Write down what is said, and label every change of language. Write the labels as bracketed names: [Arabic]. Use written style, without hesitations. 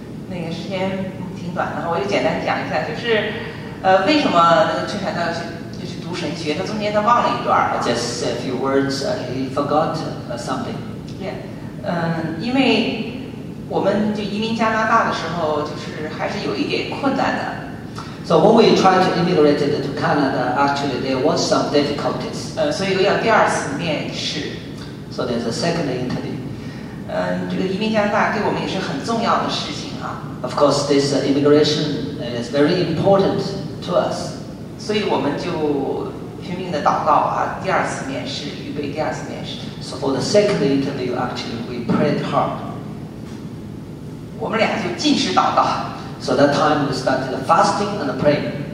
[Chinese] 那个时间挺短的，我就简单讲一下，就是为什么崔传道去读读神学，他中间他忘了一段。 [English] Just a few words, he forgot something. [Chinese] Yeah, 因为我们就移民加拿大的时候，就是还是有一点困难的。 [English] So when we tried to immigrate to Canada, actually there was some difficulties. [Chinese] 所以要第二次面试。 [English] So there's a second interview. [Chinese] 这个移民加拿大对我们也是很重要的事情啊。 [English] Of course, this immigration is very important to us. [Chinese] 所以我们就拼命的祷告啊，第二次面试，预备第二次面试。 [English] So for the second interview, actually we prayed hard. [Chinese] 我们俩就尽职祷告。 [English] So that time we started fasting and praying.